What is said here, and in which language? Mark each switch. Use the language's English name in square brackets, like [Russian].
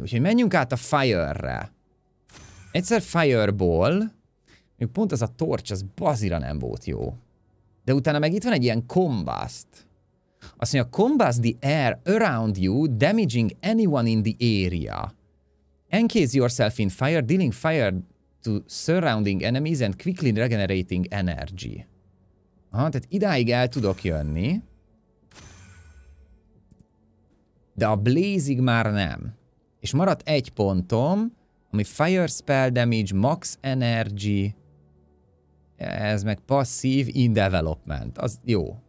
[Hungarian] Úgyhogy menjünk át a Fire-re. Egyszer Fireball, még pont az a torcs, az bazira nem volt jó. De utána meg itt van egy ilyen combust. Azt mondja, [English] combust the air around you, damaging anyone in the area. Encase yourself in fire, dealing fire to surrounding enemies and quickly regenerating energy. [Hungarian] Aha, tehát idáig el tudok jönni. De a blaze-ig már nem. És maradt egy pontom, ami fire spell damage, max energy. Ez meg passzív in development. Az jó.